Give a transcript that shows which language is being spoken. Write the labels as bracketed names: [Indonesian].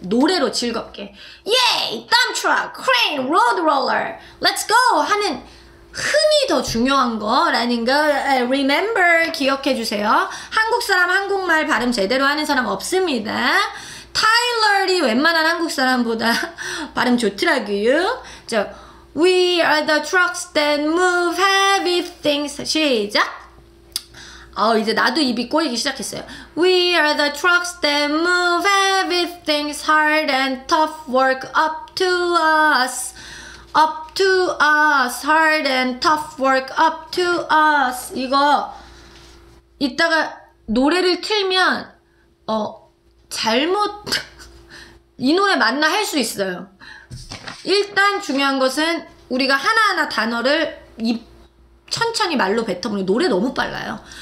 [Korean] 노래로 즐겁게 [English] 예이! Dump truck! Crane! Road roller! Let's go! [Korean] 하는 흥이 더 중요한 거라는 거 remember 기억해 주세요. 한국 사람 한국말 발음 제대로 하는 사람 없습니다. 타일러리 웬만한 한국 사람보다 발음 좋더라구요. [English] 자, We are the trucks that move heavy things. [Korean] 시작. 이제 나도 입이 꼬이기 시작했어요. [English] We are the trucks that move heavy things. Hard and tough work up to us. Up to us, hard and tough work up to us. [Korean] 이거 이따가 노래를 틀면 잘못 이 노래 맞나 할 수 있어요. 일단 중요한 것은 우리가 하나하나 단어를 입 천천히 말로 뱉어보는 노래 너무 빨라요.